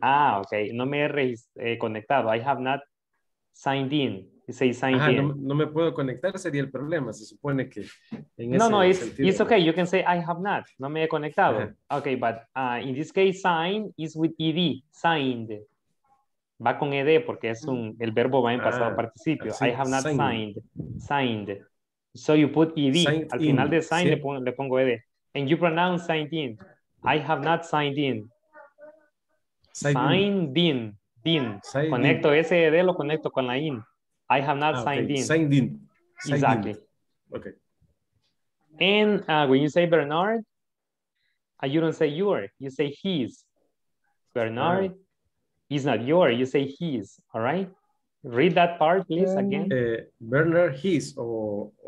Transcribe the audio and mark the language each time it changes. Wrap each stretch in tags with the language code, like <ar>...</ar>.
<en>Ah, okay.</en> <es>No me he conectado.</es> <en>I have not signed in. Say signed in.</en> <es>No me puedo conectar, sería el problema. Se supone que.</es> <en>It's okay. You can say I have not.</en> <es>No me he conectado.</es> <en>Uh-huh. Okay, but in this case, sign is with ed. Signed.</en> <es>Va con ed porque es el verbo va en pasado participio.</es> <en>I have not signed. So you put ed.</en> <es>Al final de sign le pongo ed.</es> <en>And you pronounce signed in. I have not signed in. Signed in.</en> <es>Conecto ese ed, lo conecto con la in.</es> <en>I have not signed in. Signed in. Exactly. Okay. And when you say Bernard, you don't say your, you say his. Bernard. He's not your, you say he's, all right? Read that part, please, again. Bernard, he's, or...</en>